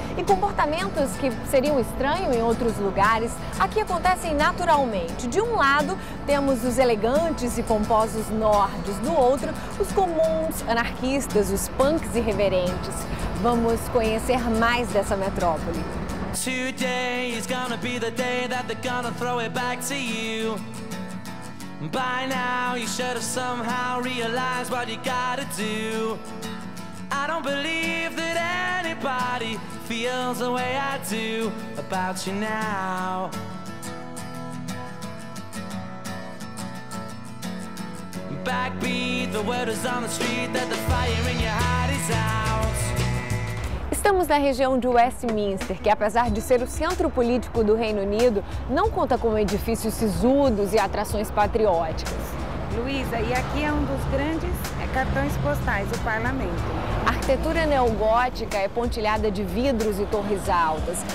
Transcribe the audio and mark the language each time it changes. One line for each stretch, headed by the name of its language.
Portuguese: E comportamentos que seriam estranhos em outros lugares, aqui acontecem naturalmente. De um lado, temos os elegantes e pomposos nordes, do outro, os comuns anarquistas, os punks irreverentes. Vamos conhecer mais dessa metrópole.
English: Today is gonna be the day that they're gonna throw it back to you. By now you should have somehow realized what you gotta do. I don't believe that anybody feels the way I do about you now. Backbeat, the word is on the street that the fire in your heart is out.
Portuguese: Estamos na região de Westminster, que apesar de ser o centro político do Reino Unido, não conta com edifícios sisudos e atrações patrióticas. Luísa, e aqui é um dos grandes cartões postais, o Parlamento. A arquitetura neogótica é pontilhada de vidros e torres altas.